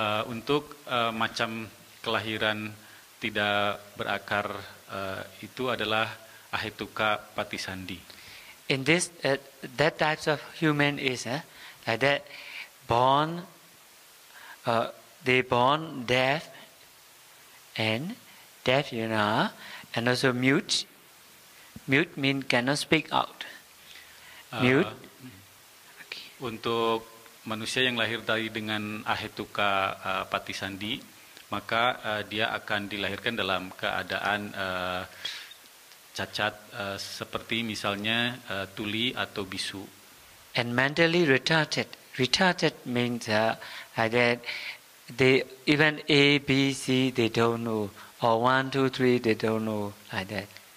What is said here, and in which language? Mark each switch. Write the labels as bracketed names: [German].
[Indonesian] Untuk macam kelahiran tidak berakar itu adalah ahiduka patisandi. [English] In this, that types of human is like that, born, they born deaf, and deaf, you know, and also mute. Mute mean cannot speak out. Mute. Okay. [Indonesian] Untuk manusia yang lahir dari dengan ahetuka patisandi, maka dia akan dilahirkan dalam keadaan cacat seperti misalnya tuli atau bisu. [English] And mentally retarded. Retarded means that they even A, B, C they don't know, or 1, 2, 3 they don't know, like that.